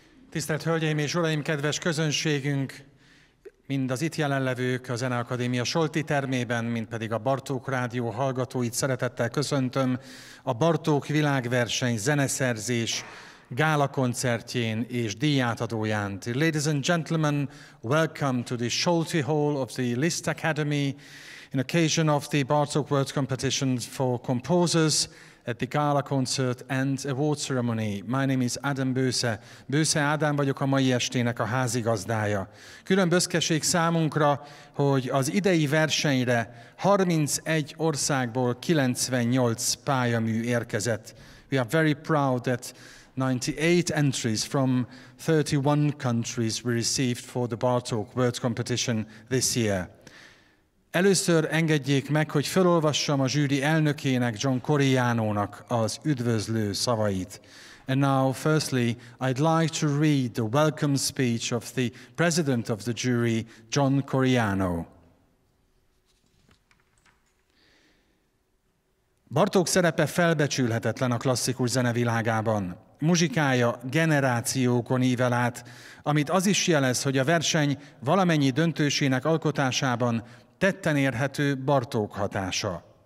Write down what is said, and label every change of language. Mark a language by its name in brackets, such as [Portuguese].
[Hungarian] Tisztelt Hölgyeim és Uraim, kedves közönségünk, mind az itt jelenlevők a Zeneakadémia Solti termében, mind pedig a Bartók Rádió hallgatóit szeretettel köszöntöm a Bartók Világverseny zeneszerzés Gála koncertjén és díjátadóján. [English] Ladies and gentlemen, welcome to the Solti Hall of the Liszt Academy in occasion of the Bartók World Competition for Composers at the Gala Concert and Award Ceremony. My name is Adam Bőse. [Hungarian] Bőse Ádám vagyok, a mai estének a házigazdája. Külön büszkeség számunkra, hogy az idei versenyre 31 országból 98 pályamű érkezett. [English] We are very proud that 98 entries from 31 countries were received for the Bartók World Competition this year. [Hungarian] Először engedjék meg, hogy felolvassam a zsűri elnökének, John Corigliano-nak az üdvözlő szavait. [English] And now, firstly, I'd like to read the welcome speech of the president of the jury, John Corigliano. [Hungarian] Bartók szerepe felbecsülhetetlen a klasszikus zene világában. Muzsikája generációkon ível át, amit az is jelez, hogy a verseny valamennyi döntősének alkotásában tetten érhető Bartók hatása.